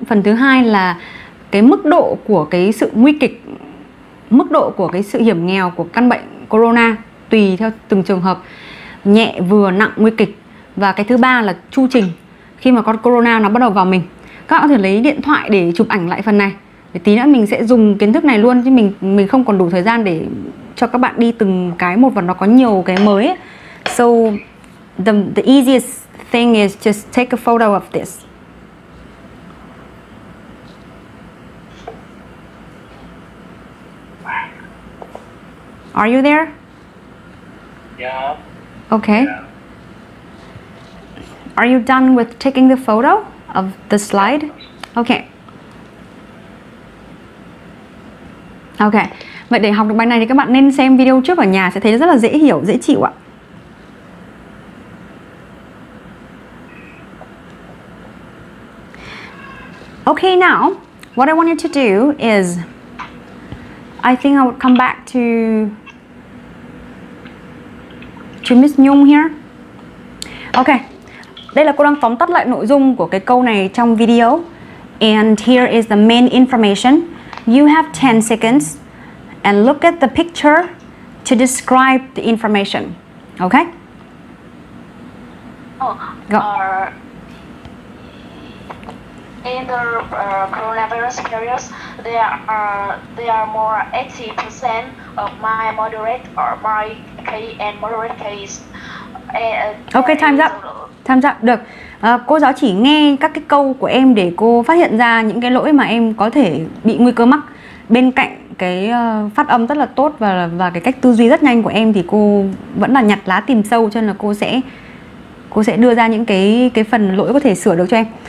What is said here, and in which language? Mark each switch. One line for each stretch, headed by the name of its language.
Vietnamese: Phần thứ hai là cái mức độ của cái sự nguy kịch, mức độ của cái sự hiểm nghèo của căn bệnh corona, tùy theo từng trường hợp, nhẹ, vừa, nặng, nguy kịch. Và cái thứ ba là chu trình khi mà con corona nó bắt đầu vào mình. Các bạn có thể lấy điện thoại để chụp ảnh lại phần này. Để tí nữa mình sẽ dùng kiến thức này luôn, chứ mình không còn đủ thời gian để cho các bạn đi từng cái một, và nó có nhiều cái mới.
English: So the easiest thing is just take a photo of this. Are you there? Yeah. Okay. Yeah. Are you done with taking the photo of the slide? Okay. Okay.
Vietnamese: Vậy để học được bài này thì các bạn nên xem video trước ở nhà, sẽ thấy rất là dễ hiểu, dễ chịu ạ.
English: Okay, now, what I want you to do is, I think I would come back to Miss Nhung here.
Vietnamese: Okay, đây là cô đang tóm tắt lại nội dung của cái câu này trong video.
English: And here is the main information. You have 10 seconds and look at the picture to describe the information. Okay? Oh, go. In the coronavirus period, there are more 80% of my moderate or my case and moderate case. Okay, time's up. Time's up.
Vietnamese: Được. Cô giáo chỉ nghe các cái câu của em để cô phát hiện ra những cái lỗi mà em có thể bị nguy cơ mắc. Bên cạnh cái phát âm rất là tốt và cái cách tư duy rất nhanh của em, thì cô vẫn là nhặt lá tìm sâu, cho nên là cô sẽ đưa ra những cái phần lỗi có thể sửa được cho em.